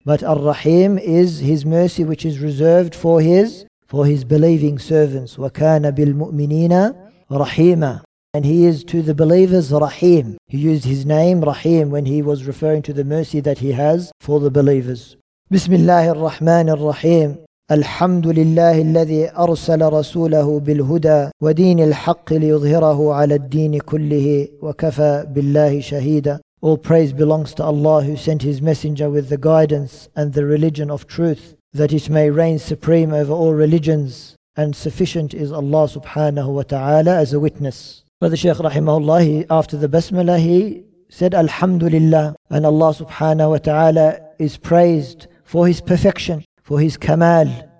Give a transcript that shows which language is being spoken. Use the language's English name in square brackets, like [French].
[English] But Ar-Rahim is his mercy, which is reserved for his believing servants. [Arabic] وَكَانَ بِالْمُؤْمِنِينَ رَحِيمًا. [English] And he is to the believers Rahim. He used his name Rahim when he was referring to the mercy that he has for the believers. [Arabic] بسم الله الرحمن الرحيم. الحمد لله الذي أرسل رسوله بالهدى ودين الحق ليظهره على الدين كله وكفى بالله شهيدا. [English] All praise belongs to Allah who sent his messenger with the guidance and the religion of truth, that it may reign supreme over all religions, and sufficient is Allah subhanahu wa ta'ala as a witness. Brother Shaykh rahimahullah, after the basmala, he said alhamdulillah, and Allah subhanahu wa ta'ala is praised for his perfection, for his kamal.